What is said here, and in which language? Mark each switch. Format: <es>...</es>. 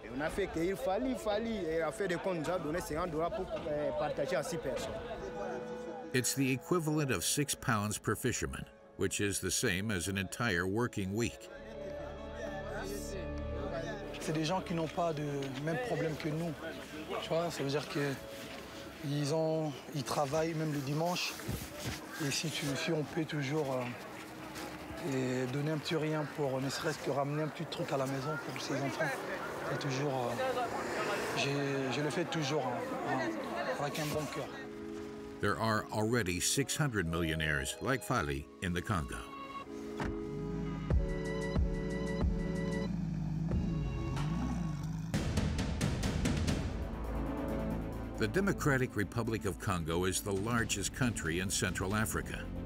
<fr>Et on a fait qu'il fallait, Et à faire des comptes, on a donné 50 dollars pour partager à 6 personnes.</fr> <en>It's the equivalent of £6 per fisherman, which is the same as an entire working week.</en> <fr>C'est des gens qui n'ont pas de même problème que nous. Tu vois, ça veut dire qu'ils ont, ils travaillent même le dimanche. Et si on peut toujours et donner un petit rien pour ne serait-ce que ramener un petit truc à la maison pour ses enfants, et toujours, je le fais toujours avec un bon cœur.</fr> <en>There are already 600 millionaires like Fali in the Congo. The Democratic Republic of Congo is the largest country in Central Africa.</en>